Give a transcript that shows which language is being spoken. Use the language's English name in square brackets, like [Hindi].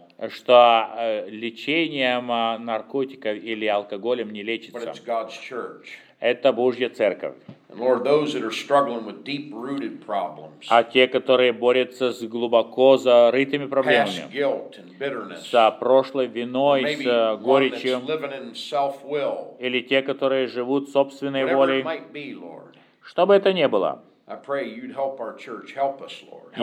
[Russian] Что лечением наркотиков или алкоголем не лечится. Это Божья церковь. [English] Lord, those that are struggling with deep-rooted problems, [Russian] а те, которые борются с глубоко зарытыми проблемами, [English] past guilt and bitterness, [Russian] с прошлой виной, с горечью, [English] living in self-will, [Russian] или те, которые живут собственной волей, [English] whatever it might be, Lord, [Russian] что бы это ни было, [English] I pray you'd help our church, help us, Lord, help